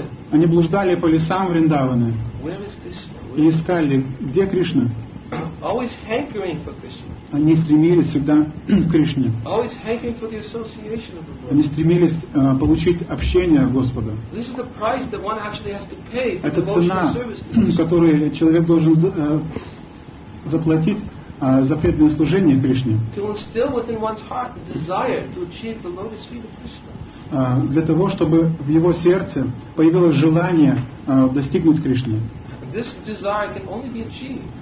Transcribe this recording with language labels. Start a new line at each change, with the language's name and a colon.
Russian: Они блуждали по лесам Вриндаваны и искали, где Кришна.
English: Always hankering for Krishna.
Russian: Они стремились всегда к Кришне.
English: Always hankering for the association of the Lord.
Russian: Они стремились получить общение Господа.
English: This is the price that one actually has to pay for devotional service to Krishna.
Russian: Которую человек должен заплатить за преданное служение Кришне.
English: To instill within one's heart the desire to achieve the lotus feet of Krishna.
Russian: Для того, чтобы в его сердце появилось желание достигнуть Кришны.
English: This desire can only be achieved.